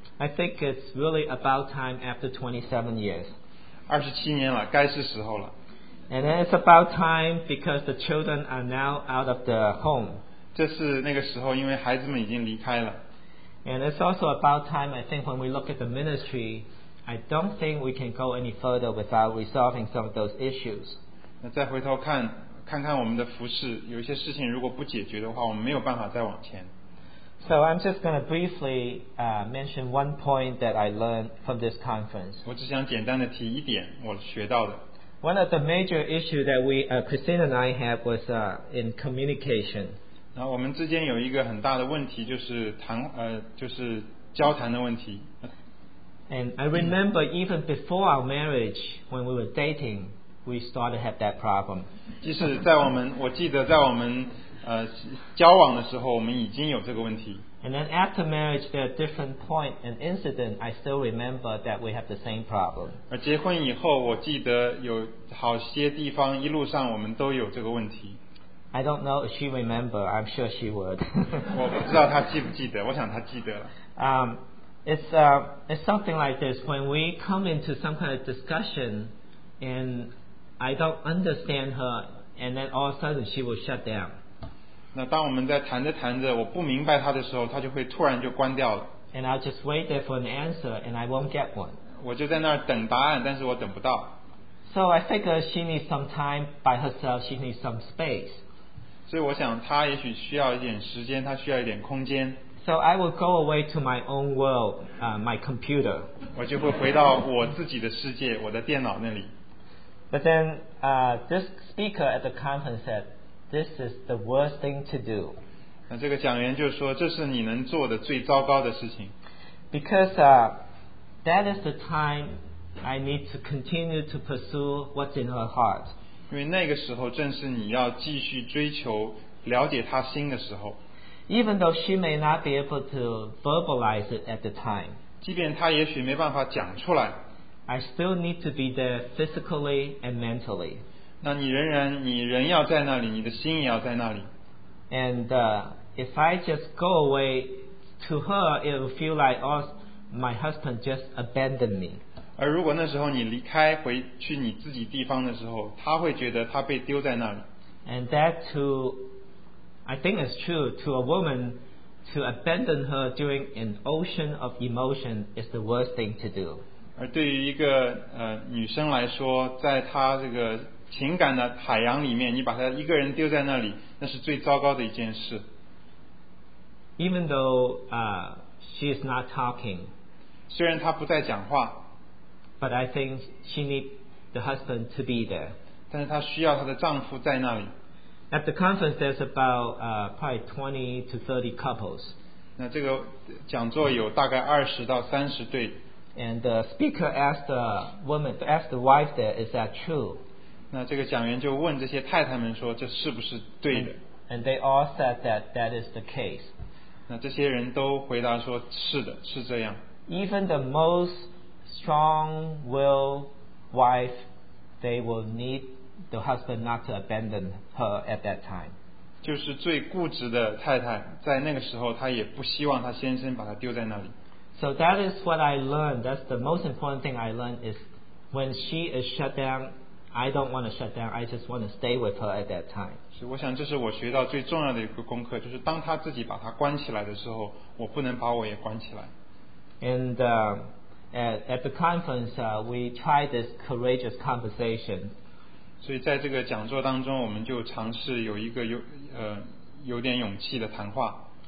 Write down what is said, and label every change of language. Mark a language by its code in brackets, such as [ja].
[en] I think it's really about time after 27 years. [zh] 27年了，该是时候了。 [en] And then it's about time because the children are now out of the home. [zh] 这是那个时候，因为孩子们已经离开了。 [en] And it's also about time, I think, when we look at the ministry. I don't think we can go any further without resolving some of those issues. [zh] 那再回头看，看看我们的服事，有一些事情如果不解决的话，我们没有办法再往前。 [en] So I'm just going to briefly mention one point that I learned from this conference. [zh] 我只想简单的提一点我学到的。 [en] One of the major issues that we, Christine and I have was in communication. [zh] 然后我们之间有一个很大的问题就是谈就是交谈的问题。 [en] And I remember even before our marriage, when we were dating, we started to have that problem. [zh] 即使在我们，我记得在我们交往的时候，我们已经有这个问题。 [en] And then after marriage, there are different point and incident. I still remember that we have the same problem. [zh] 而结婚以后，我记得有好些地方，一路上我们都有这个问题。 [en] I don't know if she remember. I'm sure she would. [zh] 我不知道她记不记得，我想她记得了。 [en] It's something like this. When we come into some kind of discussion, and I don't understand her, and then all of a sudden she will shut down. [zh] 那当我们在谈着谈着，我不明白她的时候，她就会突然就关掉了。 [en] And I'll just wait there for an answer, and I won't get one. [zh] 我就在那儿等答案，但是我等不到。 [en] So I figure she needs some time by herself. She needs some space. [zh] 所以我想她也许需要一点时间，她需要一点空间。 [en] So I will go away to my own world, my computer. [zh] 我就会回到我自己的世界，我的电脑那里。 [en] But then, this speaker at the conference said, "This is the worst thing to do." [zh] 那这个讲员就说，这是你能做的最糟糕的事情。 [en] Because that is the time I need to continue to pursue what's in her heart. [zh] 因为那个时候正是你要继续追求、了解她心的时候。 [en] Even though she may not be able to verbalize it at the time, [zh] 即便她也许没办法讲出来, [en] I still need to be there physically and mentally. [zh] 那你人要在那里，你的心也要在那里。 [en] And if I just go away to her, it will feel like my husband just abandoned me. [zh] 而如果那时候你离开回去你自己地方的时候，她会觉得她被丢在那里。 [en] And that too. I think it's true to a woman to abandon her during an ocean of emotion is the worst thing to do. [zh] 而对于一个女生来说，在她这个情感的海洋里面，你把她一个人丢在那里，那是最糟糕的一件事。 [en] Even though she is not talking, [zh] 虽然她不再讲话 [en] ，but I think she needs the husband to be there. [zh] 但是她需要她的丈夫在那里。 [en] At the conference, there's about probably 20 to 30 couples. [zh] 那这个讲座有大概二十到三十对。 [en] And the speaker asked the woman, asked the wife there, "Is that true?" [zh] 那这个讲员就问这些太太们说，这是不是对的 [en] ？And they all said that is the case. [zh] 那这些人都回答说，是的，是这样。 [en] Even the most strong-willed wife, they will need. The husband not to abandon her at that time. [zh] 就是最固执的太太，在那个时候，她也不希望她先生把她丢在那里。 [en] So that is what I learned. That's the most important thing I learned is when she is shut down, I don't want to shut down. I just want to stay with her at that time. [zh] 所以我想这是我学到最重要的一个功课，就是当她自己把她关起来的时候，我不能把我也关起来。 [en] And at the conference, we tried this courageous conversation. [zh] 所以在这个讲座当中，我们就尝试有一个有点勇气的谈话。